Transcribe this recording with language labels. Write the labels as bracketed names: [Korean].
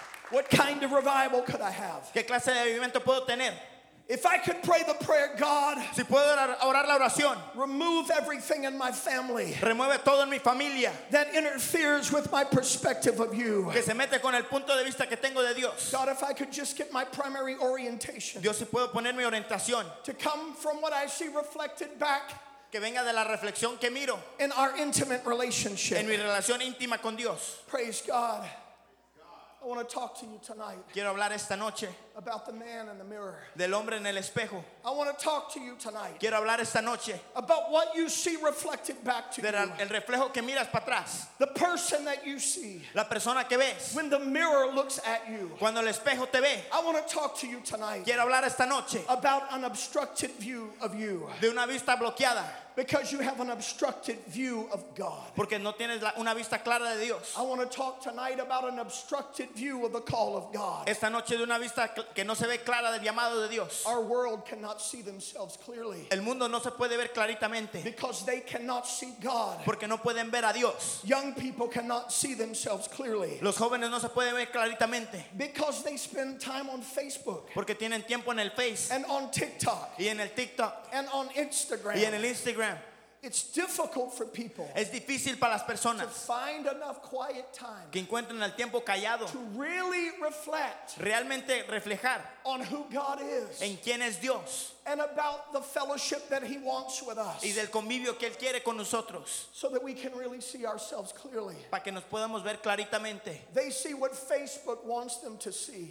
[English] What kind of revival could I have? [Spanish] ¿Qué clase de avivamiento puedo tener? [English] If I could pray the prayer, God, [Spanish] si puedo orar la oración, [English] remove everything in my family, [Spanish] remueve todo en mi familia, [English] that interferes with my perspective of you, [Spanish] que se mete con el punto de vista que tengo de Dios. [English] God, if I could just get my primary orientation, [Spanish] Dios, si puedo poner mi orientación, [English] to come from what I see reflected back, [Spanish] que venga de la reflexión que miro, [English] in our intimate relationship, [Spanish] en mi relación íntima con Dios. [English] Praise God. I want to talk to you tonight. [Spanish] Quiero hablar esta noche. [English] About the man in the mirror. [Spanish] Del hombre en el espejo. [English] I want to talk to you tonight. [Spanish] Quiero hablar esta noche. [English] About what you see reflected back to you. [Spanish] Del el reflejo que miras para atrás. [English] The person that you see. [Spanish] La persona que ves. [English] When the mirror looks at you. [Spanish] Cuando el espejo te ve. [English] I want to talk to you tonight. [Spanish] Quiero hablar esta noche. [English] About an obstructed view of you. [Spanish] De una vista bloqueada. [English] Because you have an obstructed view of God. [Spanish] Porque no tienes una vista clara de Dios. [English] I want to talk tonight about an obstructed view of the call of God. [Spanish] Esta noche de una vista que no se ve clara del llamado de Dios. [English] Our world cannot see themselves clearly. [Spanish] El mundo no se puede ver claritamente. [English] Because they cannot see God. [Spanish] Porque no pueden ver a Dios. [English] Young people cannot see themselves clearly. [Spanish] Los jóvenes no se pueden ver claritamente. [English] Because they spend time on Facebook. [Spanish] Porque tienen tiempo en el Face. [English] And on TikTok. [Spanish] Y en el TikTok. [English] And on Instagram. [Spanish] Y en el Instagram. [English] It's difficult for people. [Spanish] Es difícil para las personas. [English] To find enough quiet time. [Spanish] Que encuentren el tiempo callado. [English] To really reflect. [Spanish] Realmente reflejar. [English] On who God is. [Spanish] En quién es Dios. [English] And about the fellowship that He wants with us. [Spanish] Y del convivio que Él quiere con nosotros. [English] So that we can really see ourselves clearly. [Spanish] Para que nos podamos ver claritamente. [English] They see what Facebook wants them to see.